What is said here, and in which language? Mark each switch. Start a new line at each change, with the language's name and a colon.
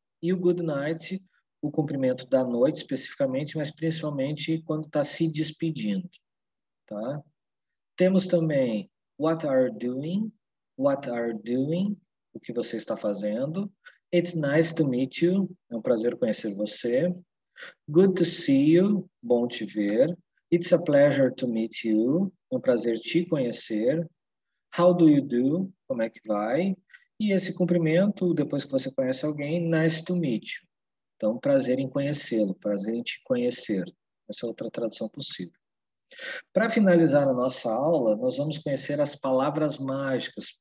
Portuguese: E o good night, o cumprimento da noite especificamente, mas principalmente quando está se despedindo, tá? Temos também
English: what are you doing? What are doing?
Portuguese: O que você está fazendo?
English: It's nice to meet you.
Portuguese: É um prazer conhecer você.
English: Good to see you.
Portuguese: Bom te ver.
English: It's a pleasure to meet you.
Portuguese: É um prazer te conhecer.
English: How do you do?
Portuguese: Como é que vai? E esse cumprimento, depois que você conhece alguém,
English: nice to meet you.
Portuguese: Então, prazer em conhecê-lo, prazer em te conhecer. Essa é outra tradução possível. Para finalizar a nossa aula, nós vamos conhecer as palavras mágicas.